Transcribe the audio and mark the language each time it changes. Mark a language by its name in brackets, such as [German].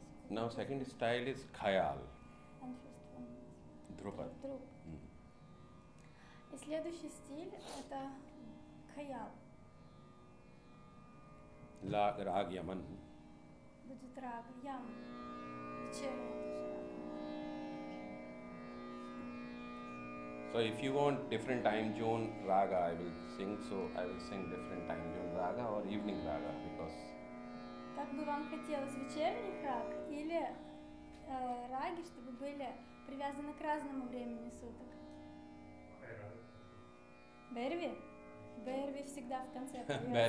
[English] Now second style is khayal. And first one is Drupad. [Russian] И следующий стиль это khayal. [English] Rag Yaman. [Russian] Будет рага Yaman. Вечерняя тоже рага. [English] So if you want different time zone raga, I will sing. So I will sing different time zone raga or evening raga because. [Russian] Как бы вам хотелось, вечерний раг или раги, чтобы были привязаны к разному времени суток? Берви? Берви всегда в конце появится.